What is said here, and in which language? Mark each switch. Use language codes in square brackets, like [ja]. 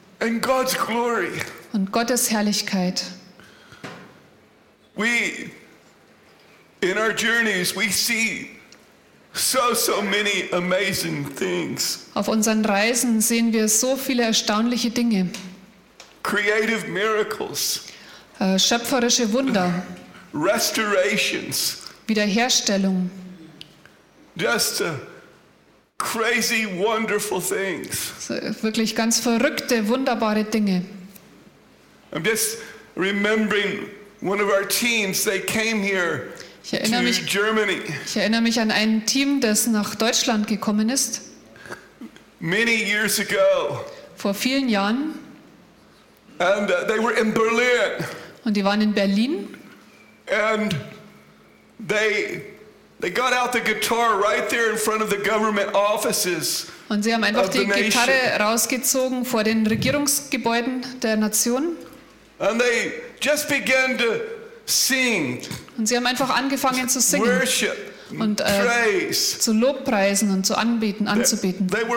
[en] And God's glory. [de] Und Gottes Herrlichkeit. [en] In our journeys we see so many amazing things. [de] Auf unseren Reisen sehen wir so viele erstaunliche Dinge. [en] Creative miracles. [de] Schöpferische Wunder. [en] Restorations. [de] Wiederherstellung. [en] Just crazy wonderful things. [de] Wirklich ganz verrückte, wunderbare Dinge. [en] I'm just remembering one of our teams, they came here. [de] Ich erinnere mich an ein Team, das nach Deutschland gekommen ist. [en] Many years ago. [de] Vor vielen Jahren. [en] And they were in Berlin. [de] Und die waren in Berlin. [en] And they got out the guitar right there in front of the government offices. [de] Und sie haben einfach die Gitarre rausgezogen vor den Regierungsgebäuden der Nation. [en] And they just began to sing. [de] Und sie haben einfach angefangen zu singen. [en] Worship, [de] und zu lobpreisen und zu anbeten, anzubeten.